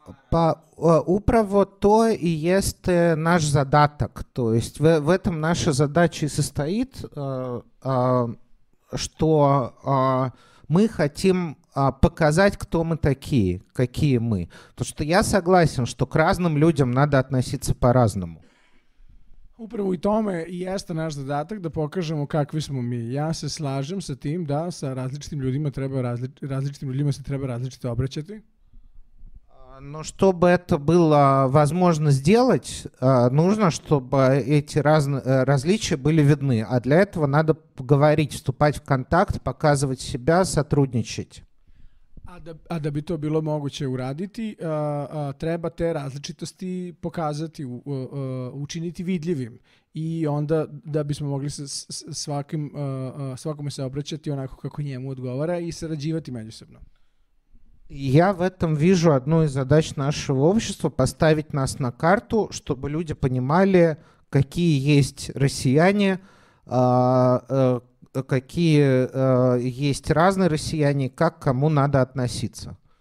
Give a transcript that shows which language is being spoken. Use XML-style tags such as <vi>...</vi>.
<sr>Па управо то</sr> <ru>и есть наш задаток, то есть в этом наша задача и состоит, что мы хотим показать, кто мы такие, какие мы. Потому что я согласен, что к разным людям надо относиться по-разному.</ru> <sr>Upravo i tome jeste naš zadatak da pokažemo kakvi smo mi. Ja se slažem sa tim da sa različitim ljudima treba različitim ljudima se treba različito obraćati.</sr> <ru>Но чтобы это было возможно сделать, нужно, чтобы эти различия были видны. А для этого надо говорить, вступать в контакт, показывать себя, сотрудничать.</ru> <sr>А да бы то было могуће урадити, треба те различитости показати, учинити видљивим. И онда да бисмо могли свакому се обраћати онако како њему одговара и сарађивати међусобно.</sr> <ru>Я в этом вижу одну из задач нашего общества – поставить нас на карту, чтобы люди понимали, какие есть россияне, какие есть разные россияне, как к кому надо относиться.</ru>